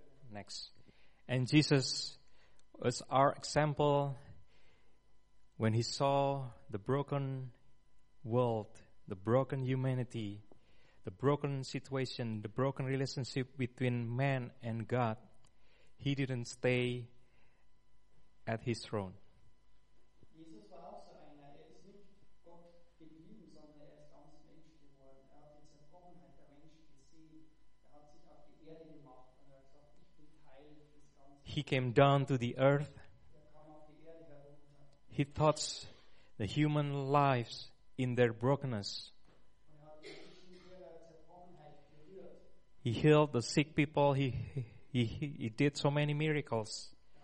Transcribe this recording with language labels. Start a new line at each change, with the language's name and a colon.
English: Next. And Jesus was our example when he saw the broken world, the broken humanity, the broken situation, the broken relationship between man and God. He didn't stay at his throne.
German: Jesus war auch so einer. Er ist nicht Gott geblieben, sondern er ist ganz Mensch geworden. Er hat die Zerbrochenheit der Menschen gesehen. Er hat sich auf die Erde gemacht und er hat gesagt, ich bin Teil des Ganzen.
English: He came down to the earth.
German: Er kam auf die Erde herunter.
English: He touched the human lives in their brokenness. He healed the sick people. He did so many miracles.